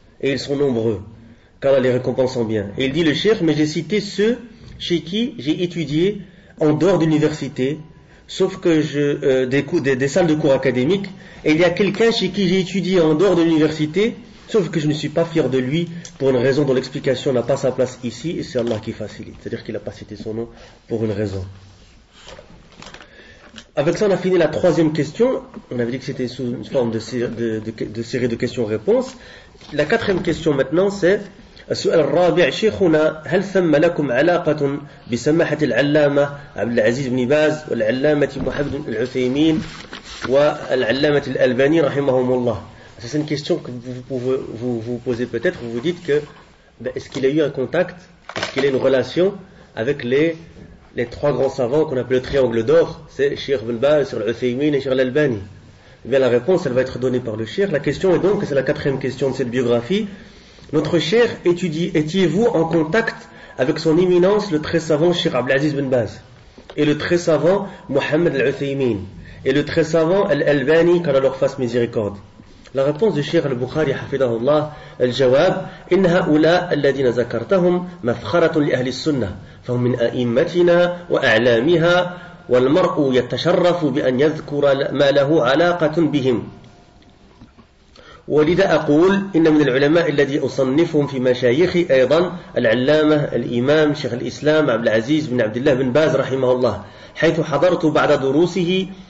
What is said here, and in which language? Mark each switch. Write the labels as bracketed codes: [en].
[fr] Et ils sont nombreux, car les récompensant bien. Et il dit le Cheikh, mais j'ai cité ceux chez qui j'ai étudié en dehors d'université, sauf que des salles de cours académiques, et il y a quelqu'un chez qui j'ai étudié en dehors de l'université, sauf que je ne suis pas fier de lui, pour une raison dont l'explication n'a pas sa place ici, et c'est Allah qui facilite. C'est-à-dire qu'il n'a pas cité son nom pour une raison. Avec ça, on a fini la troisième question. On avait dit que c'était sous une forme de série de questions-réponses. La quatrième question maintenant, c'est [ar] السؤال الرابع شيخنا هل ثم لكم علاقة بسماحة العلامة عبد العزيز بن باز والعلامة محمد العثيمين والعلامة الألباني رحمهم الله. [fr] C'est une question que vous posez peut-être. Vous dites que est-ce qu'il a eu un contact, est-ce qu'il a une relation avec les trois grands savants qu'on appelle le triangle d'or, c'est Cheikh Ibn Baz, Cheikh Al-Uthaymeen et Cheikh Al-Albani. Eh bien, la réponse, elle va être donnée par le Cheikh. La question est donc, c'est la quatrième question de cette biographie. Notre cher étudie, étiez-vous en contact avec son éminence, le très savant Cheikh Abdelaziz Ibn Baz, et le très savant Mohamed Al-Uthaymeen, et le très savant Al-Albani, qu'on a leur face miséricorde. La réponse du Cheikh Al-Bukhari, [ar] حفظه الله, الجواب, إن هؤلاء الذين ذكرتهم مفخرة لأهل السنة. فهم من أئمتنا وأعلامها والمرء يتشرف بأن يذكر ما له علاقة بهم ولذا أقول إن من العلماء الذي أصنفهم في مشايخي أيضا العلامة الإمام شيخ الإسلام عبد العزيز بن عبد الله بن باز رحمه الله حيث حضرت بعد دروسه